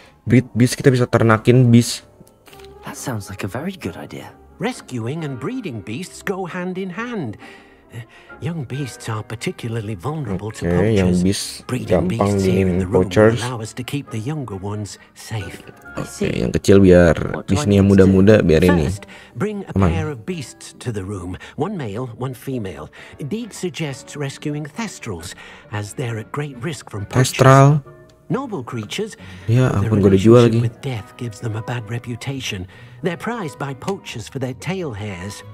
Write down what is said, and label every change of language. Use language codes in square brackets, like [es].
[en] Breed beast, [id] kita bisa ternakin beast. [en] That sounds like a very good idea. Rescuing and breeding beasts go hand in hand. Young beasts are particularly vulnerable to poachers. Young beasts, breeding beasts here in the room will allow us to keep the younger ones safe. [id] Oke, okay, yang kecil biar di sini yang muda-muda biar ini. [en] First, bring a pair of beasts to the room, one male, one female. Deeg suggests rescuing thestrals, as they're at great risk from poachers. Thestral. Noble creatures. [id] Ya, ampun, gue udah jual lagi. [en] With death gives them a bad reputation. They're prized by poachers for their tail hairs.